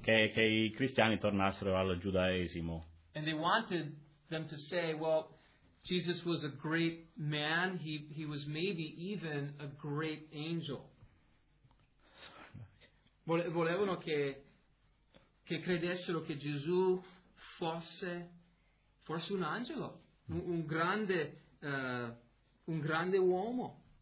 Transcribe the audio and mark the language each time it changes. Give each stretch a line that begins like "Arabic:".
Italian: Che i cristiani tornassero al giudaesimo.
English: And they wanted them to say, "Well, Jesus was a great man. He was maybe even a great angel."
Italian: Volevano che credessero che Gesù fosse un angelo, un grande uomo.